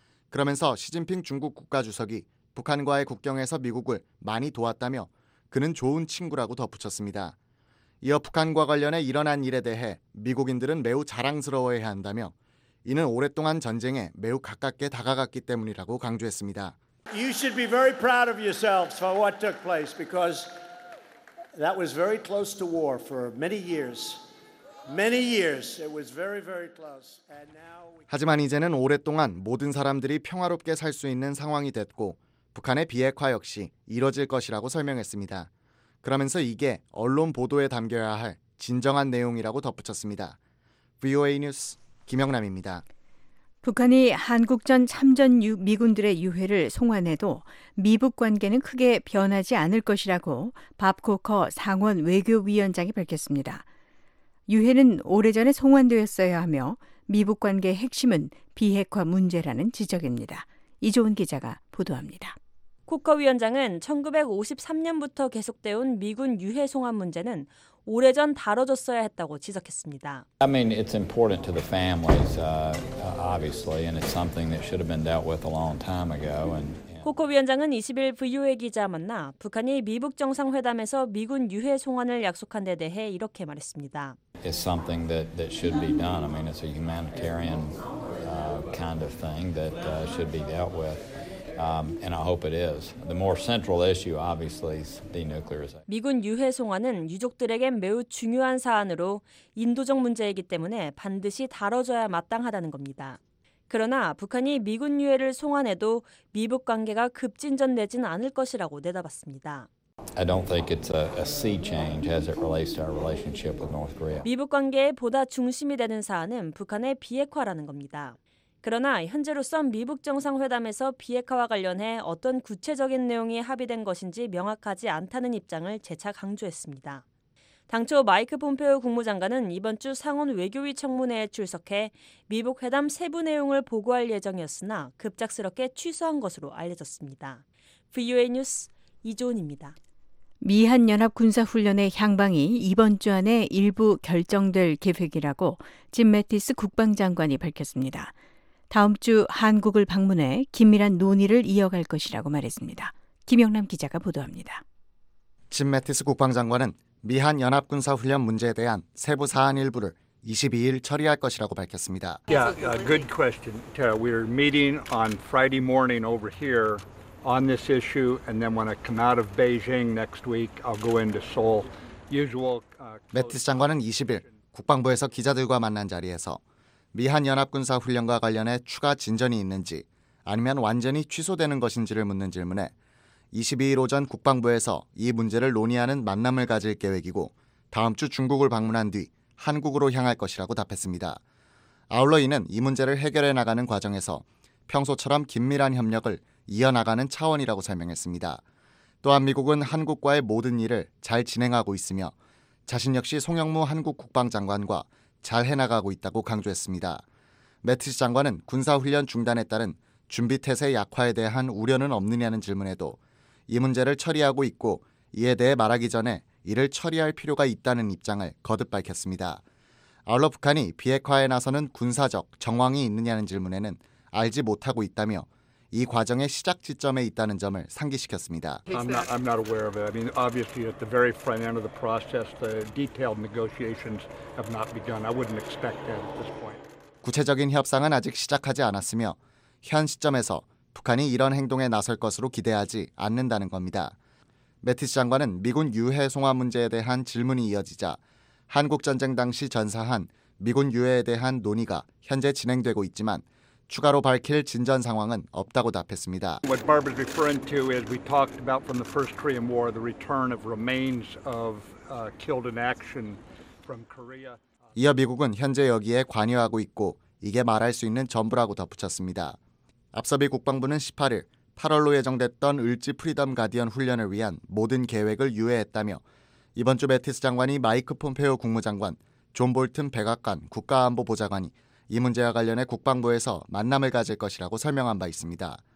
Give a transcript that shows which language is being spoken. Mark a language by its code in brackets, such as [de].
[ko] 그러면서 시진핑 중국 국가주석이 북한과의 국경에서 미국을 많이 도왔다며 그는 좋은 친구라고 덧붙였습니다. 이어 북한과 관련해 일어난 일에 대해 미국인들은 매우 자랑스러워해야 한다며 이는 오랫동안 전쟁에 매우 가깝게 다가갔기 때문이라고 강조했습니다. [en] You should be very proud of yourselves for what took place because that was very close to war for many years. Many years. It was very, very close. And now we... [ko] 하지만 이제는 오랫동안 모든 사람들이 평화롭게 살 수 있는 상황이 됐고 북한의 비핵화 역시 이뤄질 것이라고 설명했습니다. 그러면서 이게 언론 보도에 담겨야 할 진정한 내용이라고 덧붙였습니다. VOA 뉴스 김영남입니다. 북한이 한국전 참전 미군들의 유해를 송환해도 미북 관계는 크게 변하지 않을 것이라고 밥 코커 상원 외교위원장이 밝혔습니다. 유해는 오래전에 송환되었어야 하며 미북 관계의 핵심은 비핵화 문제라는 지적입니다. 이종훈 기자가 보도합니다. 코커 위원장은 1953년부터 계속되어온 미군 유해 송환 문제는 오래전 다뤄졌어야 했다고 지적했습니다. [en] I mean, it's important to the families, obviously, and it's something that should have been dealt with a long time ago. And [ko] 코커 위원장은 20일 VOA 기자 만나 북한이 미북 정상회담에서 미군 유해 송환을 약속한 데 대해 이렇게 말했습니다. [en] It's something that should be done. I mean, it's a humanitarian kind of thing that should be dealt with. And I hope it is. The more central issue, obviously, is denuclearization. [ko] 미군 유해 송환은 유족들에겐 매우 중요한 사안으로 인도적 문제이기 때문에 반드시 다뤄져야 마땅하다는 겁니다. 그러나 북한이 미군 유해를 송환해도 미북 관계가 급진전되진 않을 것이라고 내다봤습니다. [en] I don't think it's a sea change as it relates to our relationship with North Korea. [ko] 미북 관계에 보다 중심이 되는 사안은 북한의 비핵화라는 겁니다. 그러나 현재로선 미북 정상회담에서 비핵화와 관련해 어떤 구체적인 내용이 합의된 것인지 명확하지 않다는 입장을 재차 강조했습니다. 당초 마이크 폼페오 국무장관은 이번 주 상원 외교위 청문회에 출석해 미북 회담 세부 내용을 보고할 예정이었으나 급작스럽게 취소한 것으로 알려졌습니다. VOA 뉴스 이조은입니다. 미한연합군사훈련의 향방이 이번 주 안에 일부 결정될 계획이라고 짐 매티스 국방장관이 밝혔습니다. 다음 주 한국을 방문해 긴밀한 논의를 이어갈 것이라고 말했습니다. 김영남 기자가 보도합니다. 짐 매티스 국방장관은 미한연합군사훈련 문제에 대한 세부 사안 일부를 22일 처리할 것이라고 밝혔습니다. [en] Yeah, a good question, Tara. We're meeting on Friday morning over here on this issue, and then when I come out of Beijing next week, I'll go into Seoul. Usual. [ko] 매티스 장관은 20일 국방부에서 기자들과 만난 자리에서 미한연합군사훈련과 관련해 추가 진전이 있는지 아니면 완전히 취소되는 것인지를 묻는 질문에 22일 오전 국방부에서 이 문제를 논의하는 만남을 가질 계획이고 다음 주 중국을 방문한 뒤 한국으로 향할 것이라고 답했습니다. 아울러 이는 이 문제를 해결해 나가는 과정에서 평소처럼 긴밀한 협력을 이어나가는 차원이라고 설명했습니다. 또한 미국은 한국과의 모든 일을 잘 진행하고 있으며 자신 역시 송영무 한국 국방장관과 잘 해나가고 있다고 강조했습니다. 매티스 장관은 군사훈련 중단에 따른 준비태세 약화에 대한 우려는 없느냐는 질문에도 이 문제를 처리하고 있고 이에 대해 말하기 전에 이를 처리할 필요가 있다는 입장을 거듭 밝혔습니다. 아울러 북한이 비핵화에 나서는 군사적 정황이 있느냐는 질문에는 알지 못하고 있다며 이 과정의 시작 지점에 있다는 점을 상기시켰습니다. [en] I'm not aware of it. I mean, obviously at the very front end of the process, the detailed negotiations have not begun. I wouldn't expect that at this point. [ko] 구체적인 협상은 아직 시작하지 않았으며 현 시점에서 북한이 이런 행동에 나설 것으로 기대하지 않는다는 겁니다. 매티스 장관은 미군 유해 송환 문제에 대한 질문이 이어지자 한국 전쟁 당시 전사한 미군 유해에 대한 논의가 현재 진행되고 있지만 추가로 밝힐 진전 상황은 없다고 답했습니다. [en] What Barbara's referring to is we talked about from the first Korean War, the return of remains of killed in action from Korea. [ko] 이어 미국은 현재 여기에 관여하고 있고 이게 말할 수 있는 전부라고 덧붙였습니다. 앞서 미 국방부는 18일 8월로 예정됐던 을지 프리덤 가디언 훈련을 위한 모든 계획을 유예했다며 이번 주 매티스 장관이 마이크 폼페오 국무장관, 존 볼튼 백악관 국가안보보좌관이 이 문제와 관련해 국방부에서 만남을 가질 것이라고 설명한 바 있습니다.